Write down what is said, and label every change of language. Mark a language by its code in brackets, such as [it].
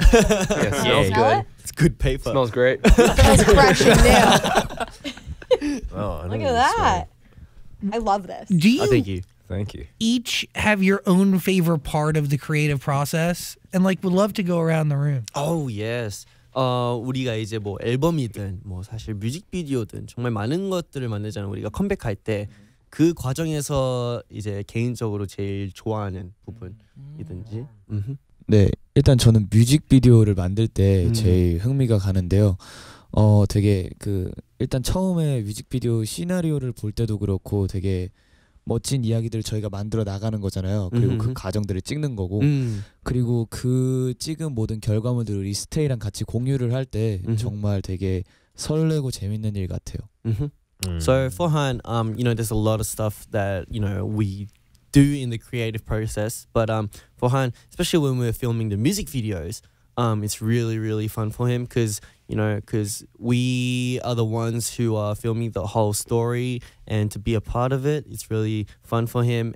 [en] Yeah, it smells good. It's good paper. Smells great. That's fresh and new. Oh, look at that. I love this. Do you thank you. Each have your own favorite part of the creative process? And, like, would love to go around the room. Oh, yes. [ko] 우리가 이제 뭐 앨범이든 뭐 사실 뮤직비디오든 정말 많은 것들을 만들잖아요. 우리가 컴백할 때 그 과정에서 이제 개인적으로 제일 좋아하는 부분이든지. 네, 일단 저는 뮤직비디오를 만들 때 제일 흥미가 가는데요. 되게 그 일단 처음에 뮤직비디오 시나리오를 볼 때도 그렇고 되게 멋진 이야기들을 저희가 만들어 나가는 거잖아요. 그리고 그 과정들을 찍는 거고 그리고 그 찍은 모든 결과물들을 리스테이랑 같이 공유를 할 때 정말 되게 설레고 재밌는 일 같아요. [en] So for Han, you know, there's a lot of stuff that, you know, we do in the creative process. But for Han, especially when we're filming the music videos, it's really, really fun for him because, you know, because we are the ones who are filming the whole story, and to be a part of it, it's really fun for him.